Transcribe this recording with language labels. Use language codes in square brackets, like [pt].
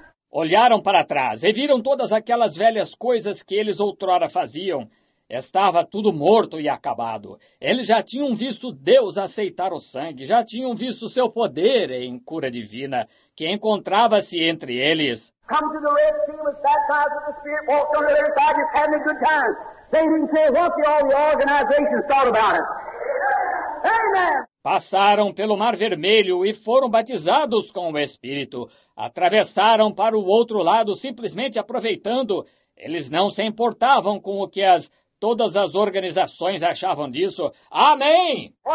[pt] Olharam para trás e viram todas aquelas velhas coisas que eles outrora faziam. Estava tudo morto e acabado. Eles já tinham visto Deus aceitar o sangue, já tinham visto seu poder em cura divina, que encontrava-se entre eles. [en] Come to the Red Sea, was baptized with the Spirit, walked on the other side, just having a good time. They didn't say, what did all the organizations thought about it? Amen! [pt] Passaram pelo Mar Vermelho e foram batizados com o Espírito. Atravessaram para o outro lado, simplesmente aproveitando. Eles não se importavam com o que as... todas as organizações achavam disso. Amém!